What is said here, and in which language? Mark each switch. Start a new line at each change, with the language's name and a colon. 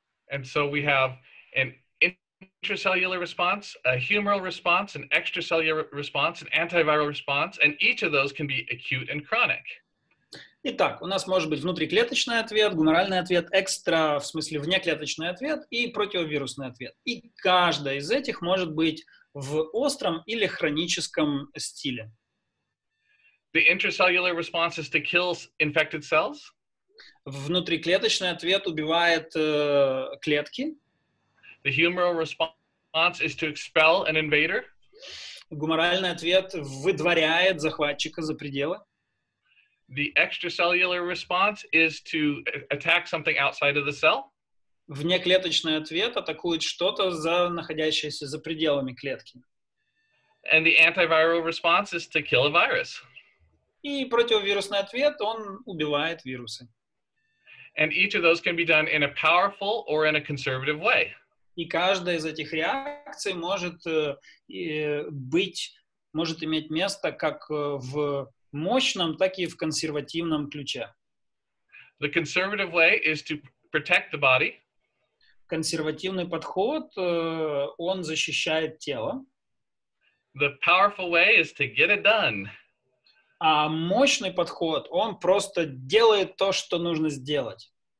English: And so we have an intracellular response, a humoral response, an extracellular response, an antiviral response, and each of those can be acute and chronic.
Russian: Итак, у нас может быть внутриклеточный ответ, гуморальный ответ, экстра, в смысле внеклеточный ответ и противовирусный ответ. И каждая из этих может быть в остром или хроническом стиле.
English: The intracellular response is to kill infected cells.
Russian: Внутриклеточный ответ убивает клетки.
English: The humoral response is to expel an invader.
Russian: Гуморальный ответ выдворяет захватчика за пределы.
English: The extracellular response is to attack something outside of the cell.
Russian: Внеклеточный ответ атакует что-то, находящееся за пределами клетки.
English: And the antiviral response is to kill a virus.
Russian: И противовирусный ответ, он убивает вирусы.
English: And each of those can be done in a powerful or in a conservative way.
Russian: И каждая из этих реакций может быть, может иметь место как в мощном, так и в консервативном ключе.
English: The conservative way is to protect the body.
Russian: Консервативный подход, он защищает тело.
English: The powerful way is to get it done.
Russian: А мощный подход, он просто делает то, что нужно сделать.